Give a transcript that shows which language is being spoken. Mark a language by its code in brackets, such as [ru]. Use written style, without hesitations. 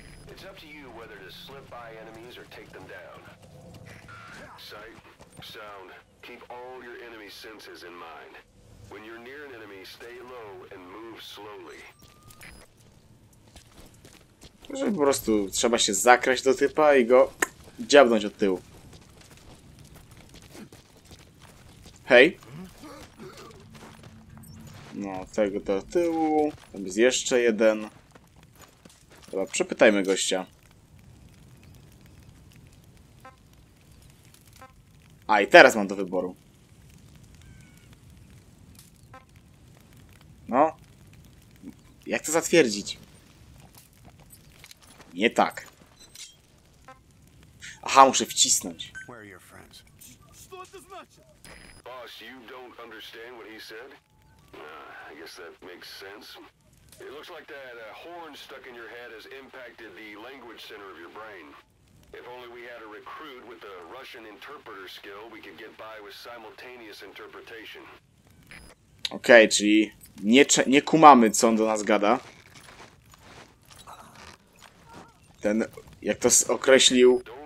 [en] It's up to you whether to slip by enemies or take them down. Sight, sound, keep all your enemy senses in mind. When you're near an enemy, stay low and move slowly. [pl] Że po prostu trzeba się zakraść do typa i go dziabnąć od tyłu. Hej! No, tego do tyłu. Tam jest jeszcze jeden. Dobra, przepytajmy gościa. A, i teraz mam do wyboru. No. Jak to zatwierdzić? Nie tak. Aha, muszę wcisnąć. Gdzie są twoje przyjaciele? Co to znaczy? [en] Boss, you don't understand what he said? I guess that makes sense. It looks like that horn stuck in your head has impacted the language center of your brain. If only we had a recruit with a Russian interpreter skill, we could get by with simultaneous interpretation. [pl] Okej, czyli nie kumamy, co on do nas gada. Ten, jak to określił...